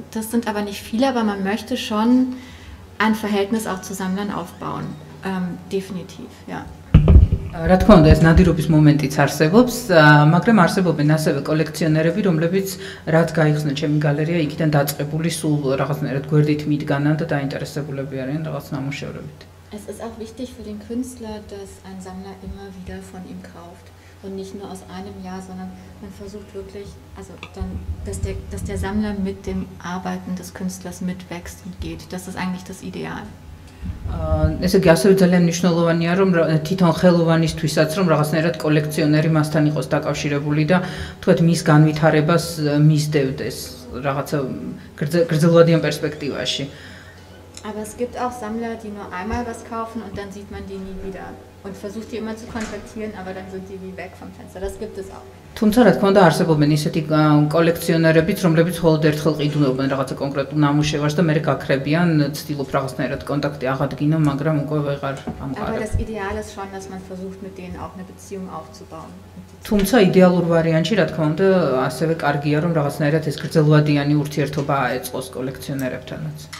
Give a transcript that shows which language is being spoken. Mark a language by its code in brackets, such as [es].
[de] Das sind aber nicht viele, aber man möchte schon ein Verhältnis auch zu Sammlern aufbauen. Definitiv, ja. [ka] Რა თქმა უნდა, ეს ნადირობის მომენტიც არსებობს, მაგრამ არსებობენ ასევე კოლექციონერები, რომლებიც რაც გაიხსნათ ჩემი გალერეა, იქიდან დაწყებული სულ რაღაცნაირად გვერდით მიდგანან და დაინტერესებულები არიან რაღაც ნამუშევრებით. [de] Es ist auch wichtig für den Künstler, dass ein Sammler immer wieder von ihm kauft. Und nicht nur aus einem Jahr, sondern man versucht wirklich, also dann, dass der Sammler mit dem Arbeiten des Künstlers mitwächst und geht. Das ist eigentlich das Ideal. [ka] Ესე იგი, ასევე ძალიან მნიშვნელოვანია, რომ თვითონ ხელოვანისთვისაც, რომ რაღაცნაირად კოლექციონერი მასთან იყოს დაკავშირებული და თქვათ მის განვითარებას მისდევდეს რაღაცა გრძელვადიან პერსპექტივაში. [de] Aber es gibt auch Sammler, die nur einmal was kaufen und dann sieht man die nie wieder. Und versucht die immer zu kontaktieren, aber dann sind die wie weg vom Fenster. Das gibt es auch. [ka] თუმცა, რა თქმა უნდა, არსებობენ ისეთი კოლექციონერებიც, რომლებიც მხოლოდ ერთხელ ყიდულობენ რაღაცა კონკრეტულ ნამუშევარს და მერე გაქრებიან, ცდილობ რაღაცნაირად კონტაქტი აღადგინო, მაგრამ უკვე ვეღარ ამყარებ. [de] Aber das Ideal ist schon, dass man versucht, mit denen auch eine Beziehung aufzubauen. [ka] თუმცა, იდეალურ ვარიანტში, რა თქმა უნდა, ასევე კარგია, რომ რაღაცნაირად ეს გრძელვადიანი ურთიერთობა აეწყოს კოლექციონერებთანაც.